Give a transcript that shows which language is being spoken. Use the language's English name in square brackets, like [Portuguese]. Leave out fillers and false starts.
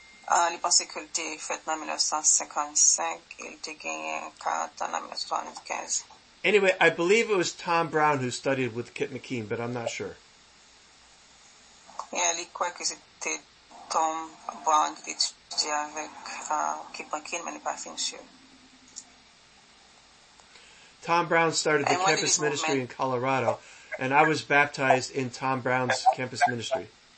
[French] Je pense qu'il était fait en 1955, il était gagné 40 ans en 1975. [English] Anyway, I believe it was Tom Brown who studied with Kit McKean, but I'm not sure. [French] Il croit que c'était Tom Brown qui étudiait avec Kit McKean, mais il n'est pas sûr. [English] Tom Brown started the campus ministry in Colorado, and I was baptized in Tom Brown's campus ministry.